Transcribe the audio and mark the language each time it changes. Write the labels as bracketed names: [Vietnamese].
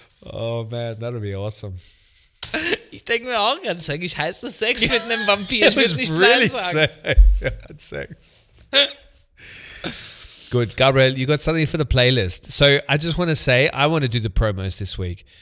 [English] Oh man, that'll be awesome. [German] Ich denke mir auch ganz eigentlich, heißt das Sex mit einem Vampir? Ich würde nicht really nein sagen. [English] Yeah, Sex. Good, Gabriel, you got something for the playlist. So I just want to say, I want to do the promos this week.